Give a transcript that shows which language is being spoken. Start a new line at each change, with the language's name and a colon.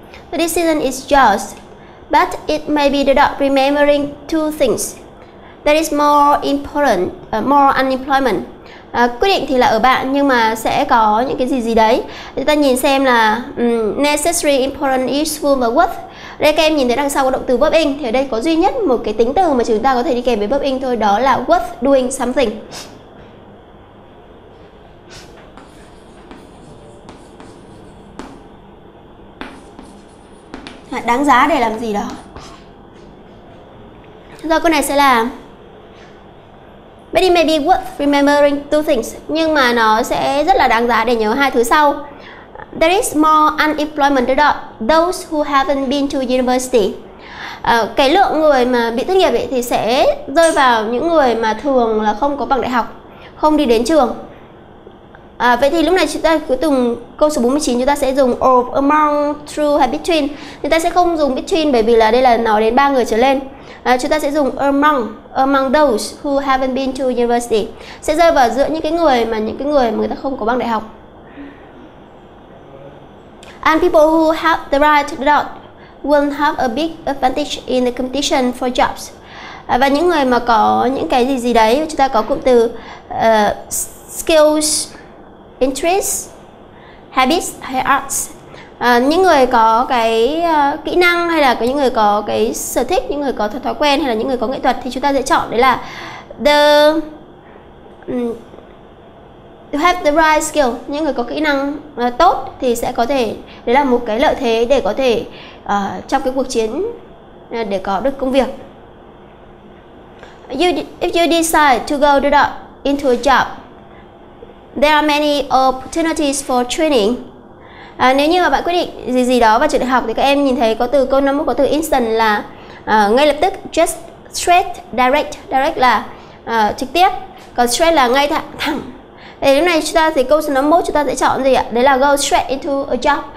English: The decision is yours, but it may be that remembering two things. That is more important, more unemployment.
Vietnamese: Quyết định thì là ở bạn, nhưng mà sẽ có những cái gì đấy. Chúng ta nhìn xem là necessary, important, useful và worth. Đây các em nhìn thấy đằng sau có động từ verb in, thì ở đây có duy nhất một cái tính từ mà chúng ta có thể đi kèm với verb in thôi, đó là
English: worth doing something.
Vietnamese: Đáng giá để làm gì đó. Do câu này sẽ là
English: but it may be worth remembering two things,
Vietnamese: nhưng mà nó sẽ rất là đáng giá để nhớ hai thứ sau.
English: There is more unemployment than those who haven't been to university.
Vietnamese: Cái lượng người mà bị thất nghiệp ấy thì sẽ rơi vào những người mà thường là không có bằng đại học, không đi đến trường. Vậy thì lúc này chúng ta cuối cùng câu số 49 chúng ta sẽ dùng of, among, through hay between. Chúng ta sẽ không dùng between bởi vì là đây là nói đến ba người trở lên. Chúng ta sẽ dùng
English: among those who haven't been to university,
Vietnamese: sẽ rơi vào giữa những cái người mà người ta không có bằng đại học.
English: And people who have the right dot will have a big advantage in the competition for jobs.
Vietnamese: Và những người mà có những cái gì đấy, chúng ta có cụm từ skills, interests, habits hay arts. Những người có cái kỹ năng hay là có những người có cái sở thích, những người có thói quen hay là những người có nghệ thuật, thì chúng ta sẽ chọn đấy là
English: to have the right skill.
Vietnamese: Những người có kỹ năng tốt thì sẽ có thể, đấy là một cái lợi thế để có thể trong cái cuộc chiến để có được công việc.
English: If you decide to go that into a job, there are many opportunities for training.
Vietnamese: Nếu như mà bạn quyết định gì đó vào trường đại học, thì các em nhìn thấy có từ câu 51 có từ instant là ngay lập tức, just straight, direct là trực tiếp, còn straight là ngay thẳng, Thì lúc này chúng ta thì câu số 51 chúng ta sẽ chọn gì ạ? Đấy là
English: go straight into a job.